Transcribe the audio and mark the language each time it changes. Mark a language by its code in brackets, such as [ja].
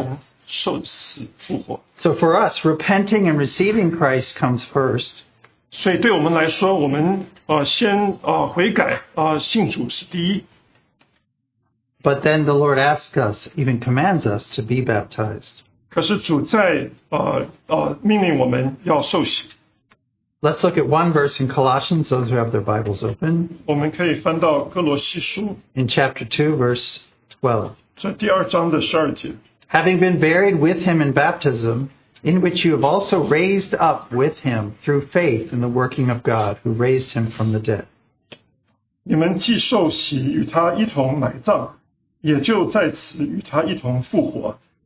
[zh] 所以我们今天的受洗呢,就让我们看到一幅图画,乃是讲到主的受死和复活,可是我们也要记得,我们也是跟主在一起,与他一同受死复活。 [en] So for us, repenting and receiving Christ comes first. [zh] 所以对我们来说,我们先悔改,信主是第一。 [en] But then the Lord asks us, even commands us, to be baptized. [zh] 可是主在命令我们要受洗。 [en] Let's look at one verse in Colossians, those who have their Bibles open. [zh] 我们可以翻到哥罗西书, [en] in chapter 2, verse 12. [zh] 在第二章的12节, [en] having been buried with him in baptism, in which you have also raised up with him through faith in the working of God, who raised him from the dead. [zh] 你们既受洗与他一同埋葬, 也就在此与他一同复活。